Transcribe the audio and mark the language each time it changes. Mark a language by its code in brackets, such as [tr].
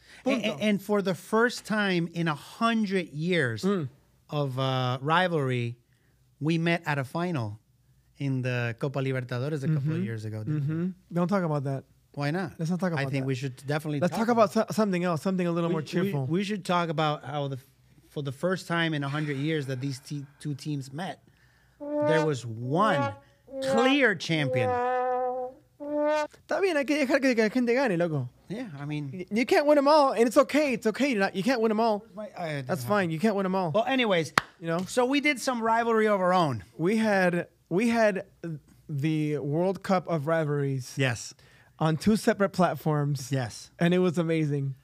[en] And for the first time in 100 years of rivalry, we met at a final in the Copa Libertadores a couple of years ago. Mm-hmm. Don't talk about that. Why not? Let's not talk about that. I think that. We should definitely Let's talk about something else, something a little more cheerful. We should talk about how for the first time in 100 years that these two teams met, there was one clear champion. [es] Está bien, hay que dejar que la gente gane, loco. [en] Yeah, I mean... You can't win them all, and it's okay. It's okay. You can't win them all. That's fine. You can't win them all. Well, anyways, you know. So we did some rivalry of our own. We had the World Cup of rivalries. Yes. On two separate platforms. Yes. And it was amazing.